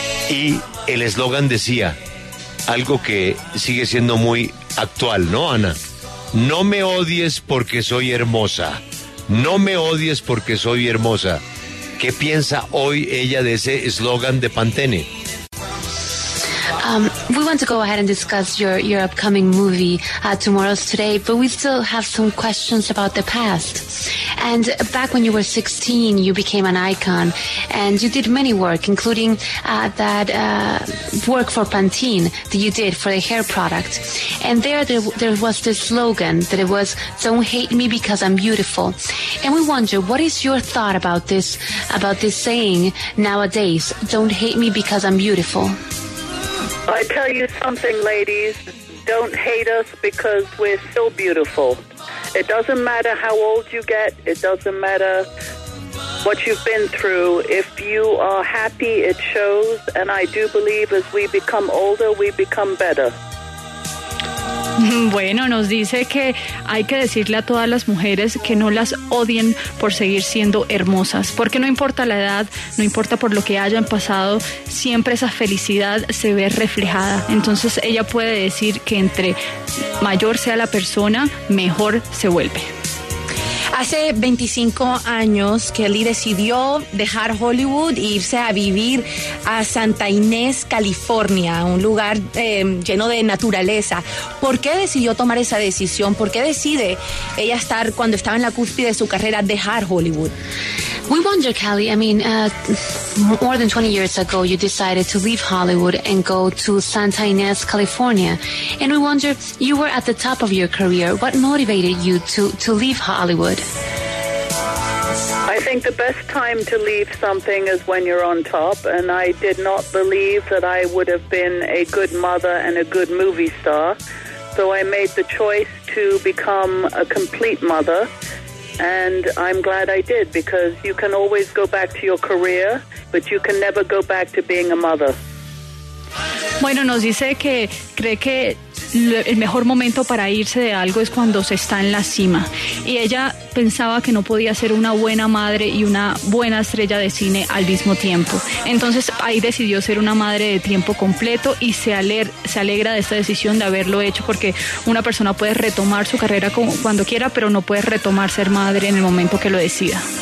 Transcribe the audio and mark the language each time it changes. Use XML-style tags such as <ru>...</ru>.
<es>Y el eslogan decía algo que sigue siendo muy actual, ¿no, Ana? No me odies porque soy hermosa. No me odies porque soy hermosa. ¿Qué piensa hoy ella de ese eslogan de Pantene?</es> <en>We want to go ahead and discuss your upcoming movie, Tomorrow's Today, but we still have some questions about the past. And back when you were 16, you became an icon, and you did many work, including that work for Pantene that you did for the hair product. And there was this slogan that it was, don't hate me because I'm beautiful. And we wonder, what is your thought about this saying nowadays, don't hate me because I'm beautiful? I tell you something, ladies, don't hate us because we're still beautiful. It doesn't matter how old you get, it doesn't matter what you've been through. If you are happy, it shows, and I do believe as we become older, we become better.</en> <es>Bueno, nos dice que hay que decirle a todas las mujeres que no las odien por seguir siendo hermosas, porque no importa la edad, no importa por lo que hayan pasado, siempre esa felicidad se ve reflejada. Entonces ella puede decir que entre mayor sea la persona, mejor se vuelve. Hace 25 años, Kelly decidió dejar Hollywood e irse a vivir a Santa Inés, California, un lugar lleno de naturaleza. ¿Por qué decidió tomar esa decisión? ¿Por qué decide ella estar, cuando estaba en la cúspide de su carrera, dejar Hollywood?</es> <en>We wonder, Kelly, I mean, more than 20 years ago, you decided to leave Hollywood and go to Santa Inés, California. And we wonder, you were at the top of your career. What motivated you to leave Hollywood? I think the best time to leave something is when you're on top. And I did not believe that I would have been a good mother and a good movie star. So I made the choice to become a complete mother. And I'm glad I did, because you can always go back to your career, but you can never go back to being a mother.</en> <es>Bueno, nos dice que cree que el mejor momento para irse de algo es cuando se está en la cima. Y ella pensaba que no podía ser una buena madre y una buena estrella de cine al mismo tiempo. Entonces ahí decidió ser una madre de tiempo completo y se alegra de esta decisión de haberlo hecho, porque una persona puede retomar su carrera como cuando quiera, pero no puede retomar ser madre en el momento que lo decida.</es>